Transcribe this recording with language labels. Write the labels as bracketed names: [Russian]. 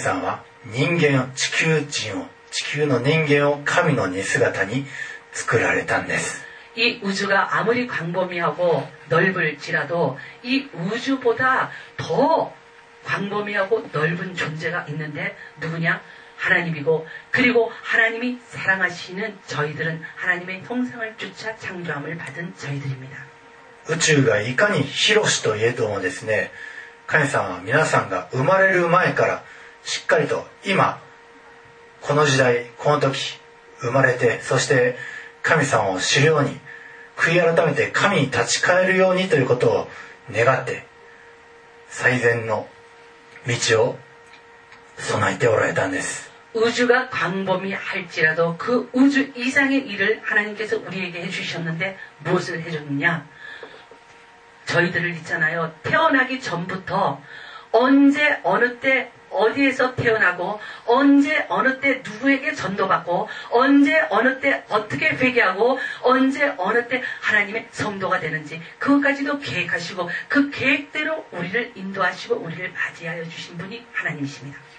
[Japanese] いかに宇宙広しといえどですね、神の似姿に神さんは人間を地球人を 地球の人間を神の似姿に作られたんです。 [Korean] 이 우주가 아무리 광범위하고 넓을지라도 이 우주보다 더 광범위하고 넓은 존재가 있는데 누구냐? 하나님이고 그리고 하나님이 사랑하시는 저희들은 하나님의 형상을 쫓아 창조함을 받은 저희들입니다. 우주가 이까니 [Japanese] 広しといえどもですね 神様は皆さんが生まれる前からしっかりと今 この時代、この時、生まれて、そして神様を知るように、悔い改めて神に立ち返るようにということを願って、最善の道を備えておられたんです。 [Korean] 우주가 광범위할지라도 그 우주 이상의 일을 하나님께서 우리에게 해주셨는데 무엇을 해줬느냐? 저희들을 있잖아요. 태어나기 전부터 언제 어느 때 어디에서 태어나고 언제 어느 때 누구에게 전도받고 언제 어느 때 어떻게 회개하고 언제 어느 때 하나님의 성도가 되는지 그것까지도 계획하시고 그 계획대로 우리를 인도하시고 우리를 맞이하여 주신 분이 하나님이십니다.